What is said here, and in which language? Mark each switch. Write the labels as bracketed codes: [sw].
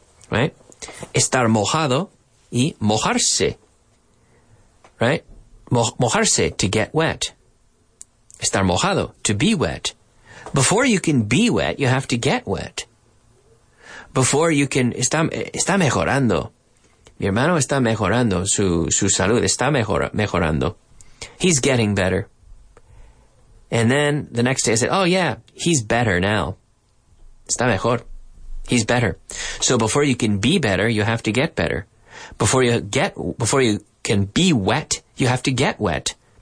[en] Right? [es] Estar mojado y mojarse. Right? Mojarse, [en] to get wet. [es] Estar mojado, [en] to be wet. Before you can be wet, you have to get wet. Before you can, [es] está mejorando. Mi hermano está mejorando su salud. Está mejorando. [en] He's getting better. And then the next day I said, oh yeah, he's better now. [es] Está mejor. [en] He's better. So before you can be better, you have to get better. Before you can be wet, you have to get wet.